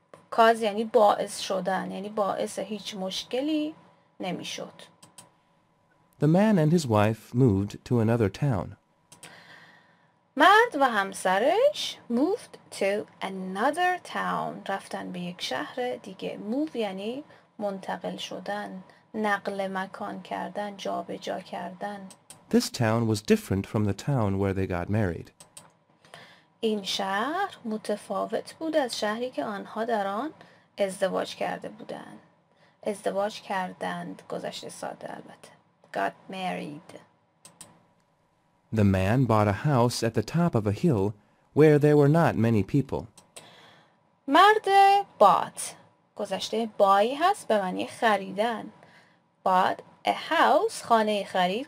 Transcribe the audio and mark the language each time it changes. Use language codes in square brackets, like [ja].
[fa] cause یعنی باعث شدن، یعنی باعث هیچ مشکلی نمی شد. [en] The man and his wife moved to another town. [fa] مرد و همسرش [en] moved to another town، [fa] رفتن به یک شهر دیگه. move یعنی منتقل شدن، نقل مکان کردن، جابجا کردن. [en] This town was different from the town where they got married. [fa] این شهر متفاوت بود از شهری که آنها در آن ازدواج کرده بودند. ازدواج کردند، گذشته ساده البته. [en] Got married. The man bought a house at the top of a hill where there were not many people. [fa] مرد bought. گذشته buy هست به معنی خریدن. [en] Bought a house، [fa] خانه خرید.